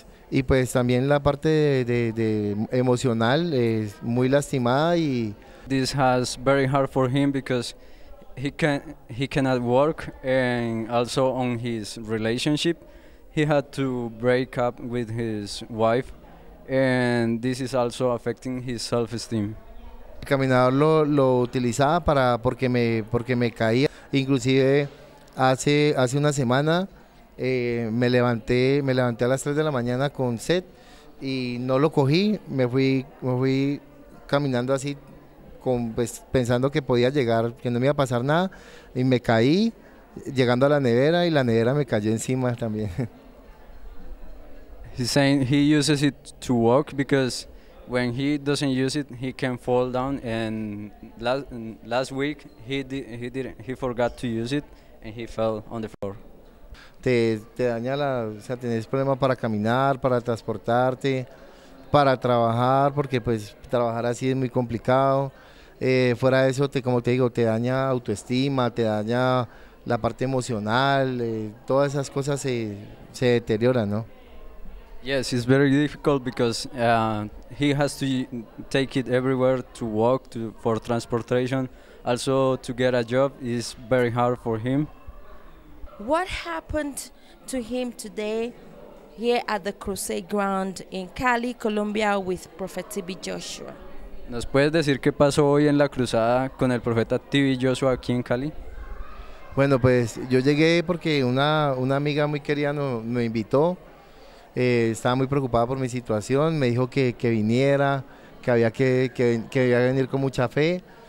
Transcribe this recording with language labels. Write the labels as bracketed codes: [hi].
[es] Y pues también la parte de emocional es muy lastimada. Y [en] this has very hard for him because he cannot work, and also on his relationship he had to break up with his wife, and this is also affecting his self-esteem. [es] El caminador lo utilizaba porque me caía. Inclusive hace una semana me levanté a las 3 de la mañana con sed y no lo cogí, me fui caminando así pensando que podía llegar, que no me iba a pasar nada, y me caí llegando a la nevera y la nevera me cayó encima también. [en] He's saying he uses it to walk because when he doesn't use it he can fall down, and last week he forgot to use it and he fell on the floor. [es] Te daña tenés problemas para caminar, para transportarte, para trabajar, porque pues trabajar así es muy complicado. Fuera de eso, te daña autoestima, te daña la parte emocional, todas esas cosas se deterioran, ¿no? [en] Yes, it's very difficult because he has to take it everywhere to walk, for transportation, also to get a job is very hard for him. What happened to him today here at the Crusade Ground in Cali, Colombia, with Prophet TB Joshua? [es] ¿Nos puedes decir qué pasó hoy en la cruzada con el profeta TB Joshua aquí en Cali? Bueno, pues yo llegué porque una amiga muy querida me invitó. Estaba muy preocupada por mi situación. Me dijo que viniera, que había que venir con mucha fe.